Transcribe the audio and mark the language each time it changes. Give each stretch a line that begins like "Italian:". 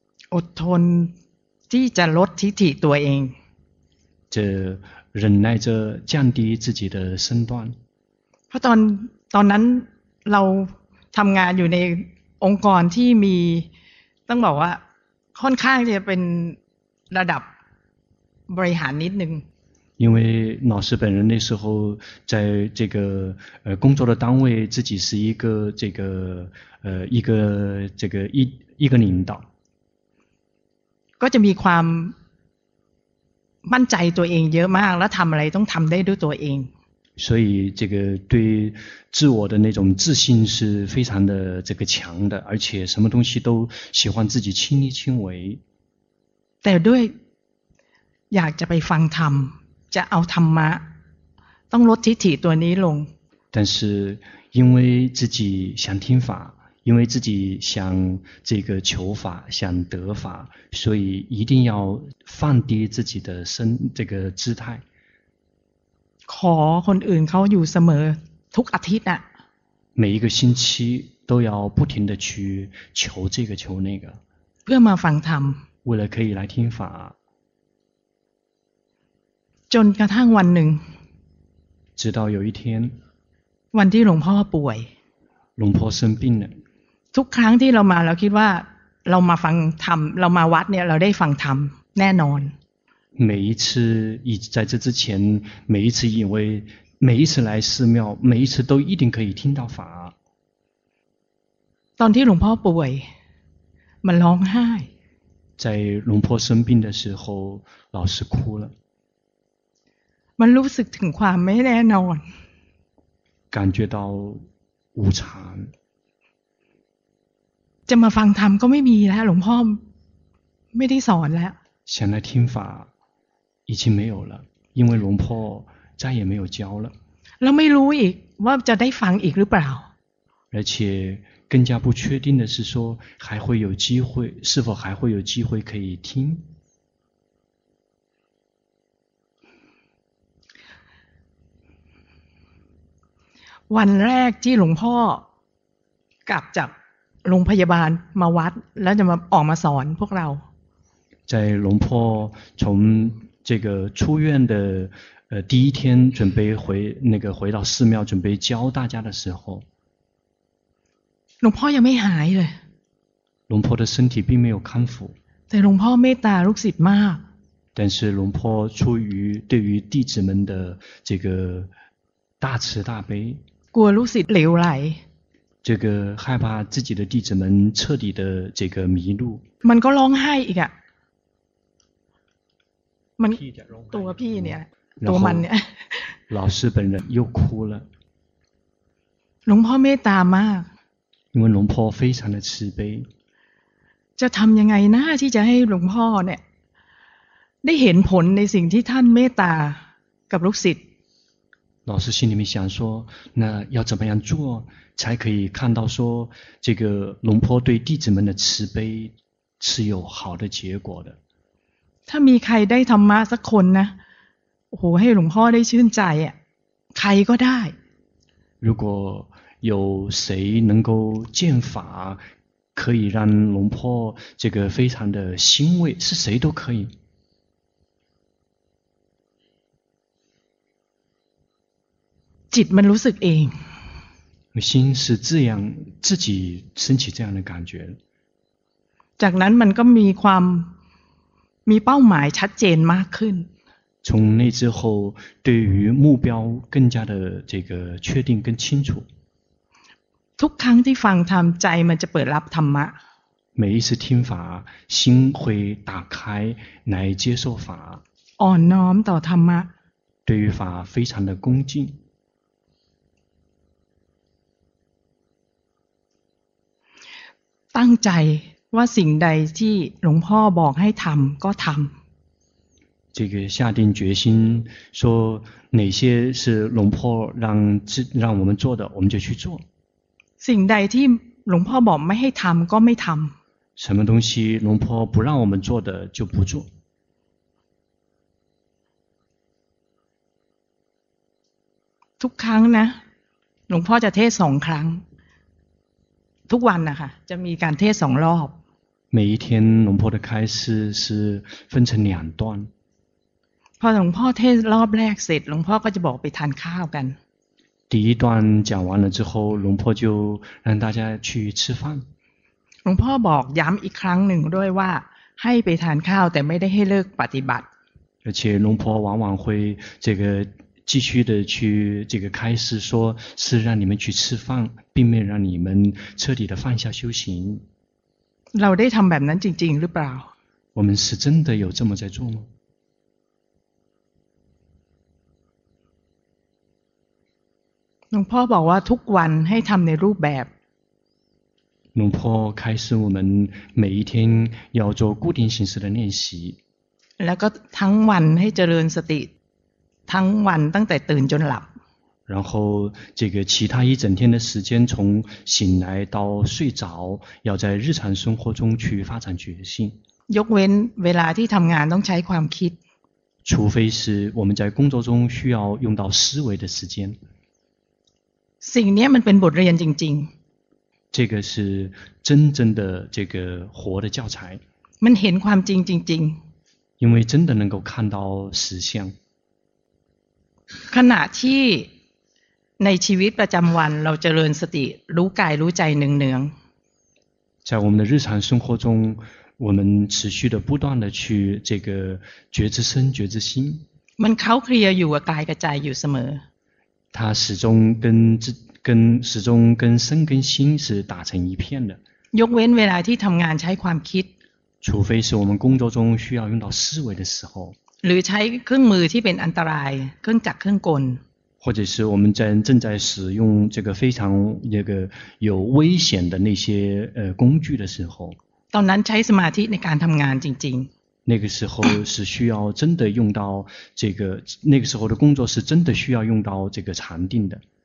Thai: อดทนที่จะลดทิฏฐิตัวเอง
Chinese: 这忍耐着降低自己的身段。
Thai: เพราะตอนนั้นเราทำงานอยู่ในองค์กรที่มีต้องบอกว่าค่อนข้างจะเป็นระดับบริหารนิดนึง
Chinese: 因为老师本人那时候在这个工作的单位自己是一个这个一个这个一个领导
Thai: ก็จะมีความมั่นใจตัวเองเยอะมากแล้วทำอะไรต้องทำได้ด้วยตัวเอง
Chinese: 所以这个对自我的那种自信是非常的这个强的而且什么东西都喜欢自己亲力亲为
Thai: แต่ด้วยอยากจะไปฟังธรรมจะเอาธรรมะต้องลดทิฏฐิตัวนี้ลง
Chinese: 但是因为自己想听法因为自己想这个求法想得法所以一定要放低自己的身这个姿态
Thai: ขอคนอื่นเขาอยู่เสมอทุกอาทิตย์อ่ะ
Chinese: 每一个星期都要不停的去求这个求那个
Thai: เพื่อมาฟังธรรม
Chinese: 为了可以来听法
Thai: จนกระทั่งวันหนึ่ง
Chinese: 直到有一天
Thai: วันที่หลวงพ่อป่วย
Chinese: หลวงพ่อ生病了
Thai: ทุกครั้งที่เรามาเราคิดว่าเรามาฟังธรรมเรามาวัดเนี่ยเราได้ฟังธรรมแน่นอน
Chinese: 每一次以在这之前每一次以为每一次来寺庙每一次都一定可以听到法
Thai: ตอนที่หลวงพ่อป่วยมันร้องไห้
Chinese: 在หลวงพ่อ生病的时候老师哭了
Thai: มันรู้สึกถึงความไม่แน่นอน
Chinese: 感觉到无常
Thai: จะมาฟังธรรมก็ไม่มีแล้วหลวงพ่อไม่ได้สอนแล้ว
Chinese: 想来听法已经没有了因为龙婆再也没有教了
Thai: แล้วไม่รู้อีกว่าจะได้ฟังอีกหรือเปล่า
Chinese: 而且更加不确定的是说还会有机会是否还会有机会可以听
Thai: วันแรกที่หลวงพ่อกลับจากโรงพยาบาลมาวัดแล้วจะมาออกมาสอนพวกเรา
Chinese: ใจหลวงพ่อ从这个出院的第一天准备回那个回到寺庙准备教大家的时候
Thai: หลวงพ่อยังไม่หายเลย
Chinese: หลวงพ่อ的身体并没有康复
Thai: แต่หลวงพ่อเมตตาลูกศิษย์มาก
Chinese: 但是หลวงพ่อ出于对于弟子们的这个大慈大悲
Thai: กลัวลูกศิษย์เหลวไหล
Chinese: 这个害怕自己的弟子们彻底的这个迷路
Thai: มันก็ร้องไห้อีกอ่ะมันตัวพี่เนี่ยตัวมันเนี่ย
Chinese: 老师本人又哭了
Thai: หลวงพ่อเมตตามาก
Chinese: 因为หลวงพ่อ非常的慈悲
Thai: จะทำยังไงนะที่จะให้หลวงพ่อเนี่ยได้เห็นผลในสิ่งที่ท่านเมตตากับลูกศิษย์
Chinese: 老师心里面想说那要怎么样做才可以看到说这个龙坡对弟子们的慈悲是有好的结果的
Thai: ถ้ามีใครได้ธรรมะสักคนนะโหให้หลวงพ่อได้ชื่นใจอ่ะใครก็ได้
Chinese: 如果有谁能够见法可以让龙坡这个非常的欣慰是谁都可以
Thai: จิตมันรู้สึกเอง
Chinese: 心是这样自己升起这样的感觉
Thai: จากนั้นมันก็มีความมีเป้าหมายชัดเจนมากขึ้น
Chinese: 从那之后对于目标更加的这个确定更清楚
Thai: ทุกครั้งที่ฟังธรรมใจมันจะเปิดรับธรรมะ
Chinese: 每一次听法心会打开来接受法
Thai: อ่อนน้อมต่อธรรมะ
Chinese: 对于法非常的恭敬
Thai: ตั้งใจว่าสิ่งใดที่หลวงพ่อบอกให้ทำก็ทำ
Chinese: 这个下定决心说哪些是龙婆让让我们做的，我们就去做。
Thai: สิ่งใดที่หลวงพ่อบอกไม่ให้ทำก็ไม่ทำ。
Chinese: 什么东西龙婆不让我们做的就不做。
Thai: ทุกครั้งนะหลวงพ่อจะเทศสองครั้งทุกวันนะคะจะมีการเทศสองรอบ
Chinese: 每一天龙婆的开示是分成两段
Thai: พอหลวงพ่อเทศรอบแรกเสร็จหลวงพ่อก็จะบอกไปทานข้าวกัน
Chinese: 第一段讲完了之后龙婆就让大家去吃饭
Thai: หลวงพ่อบอกย้ำอีกครั้งหนึ่งด้วยว่าให้ไปทานข้าวแต่ไม่ได้ให้เลิกปฏิบัติ
Chinese: 而且龙婆往往会这个继续的去这个开示说是让你们去吃饭并没有让你们彻底的放下修行
Thai: เราได้ทำแบบนั้นจริงๆหรือเปล่า
Chinese: 我们是真的有这么在做吗
Thai: หลวงพ่อบอกว่าทุกวันให้ทำในรูปแบบ
Chinese: หลวงพ่อ开示我们每一天要做固定形式的练习
Thai: แล้วก็ทั้งวันให้เจริญสติทั้งวันตั้งแต่ตื่นจนหลับ
Chinese: 然后这个其他一整天的时间从醒来到睡着要在日常生活中去发展决心
Thai: ยกเว้นเวลาที่ทำงานต้องใช้ความคิด
Chinese: 除非是我们在工作中需要用到思维的时间
Thai: สิ่งนี้มันเป็นบทเรียนจริง
Chinese: ๆ这个是真正的这个活的教材
Thai: มันเห็นความจริงจริง
Chinese: ๆ因为真的能够看到实相
Thai: ขณะที่ในชีวิตประจำวันเราเจริญสติรู้กายรู้ใจเนือง
Chinese: ๆ在我们的日常生活中我们持续的不断的去这个觉知身觉知心
Thai: มันเข้าเคลียร์อยู่กับกายกับใจอยู่เสมอ
Chinese: 他始终跟始终跟身跟心是打成一片的。
Thai: ยกเว้นเวลาที่ทำงานใช้ความคิด
Chinese: 除非是我们工作中需要用到思维的时候。
Thai: หรือใช้เครื่องมือที่เป็นอันตรายเครื่องจักรเครื่องกล
Chinese: 或者是我们正在使用这个非常这个有危险的那些工具的时候。
Thai: ตอนนั้นใช้สมาธิในการทำงานจริงๆ
Chinese: 那个时候是需要真的用到这个那个时候的工作是真的需要用到这个禅定的